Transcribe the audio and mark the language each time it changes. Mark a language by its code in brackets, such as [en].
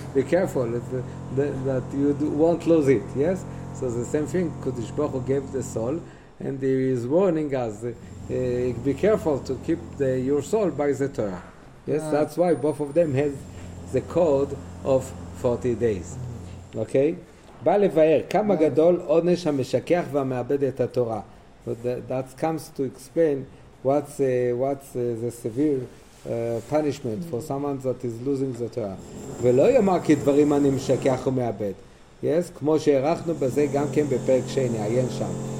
[en] Be careful that you won't lose it, yes? So the same thing, Kodesh Baruch Hu gave the soul. And he is warning us, be careful to keep your soul by the Torah. Yes, that's why both of them have the code of 40 days. Okay? [he] בא לבאר, כמה גדול עונש המשכח והמאבד את התורה. [en] That comes to explain what's the severe punishment for someone that is losing the Torah. [he] ולא יאמר כי דברים אני משכח ומאבד. Yes, כמו שהערכנו בזה גם כן בפרק שני, עיין שם.